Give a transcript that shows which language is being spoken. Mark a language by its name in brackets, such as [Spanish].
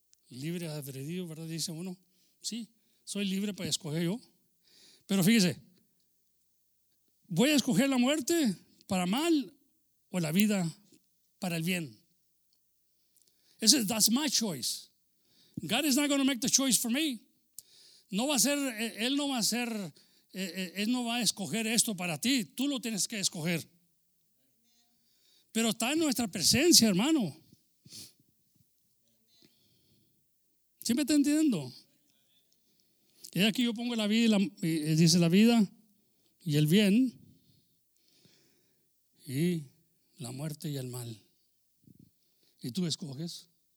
[Spanish] Libre albedrío, ¿verdad? Dice uno. Sí, soy libre para escoger yo. Pero fíjese, ¿voy a escoger la muerte para mal o la vida para el bien? [English] Ese, that's my choice. God is not going to make the choice for me. [Spanish] No va a ser, Él no va a ser, Él no va a escoger esto para ti. Tú lo tienes que escoger. Pero está en nuestra presencia, hermano. ¿Sí me está entendiendo? Y aquí yo pongo la vida, y la, dice la vida y el bien, y la muerte y el mal. Y tú escoges.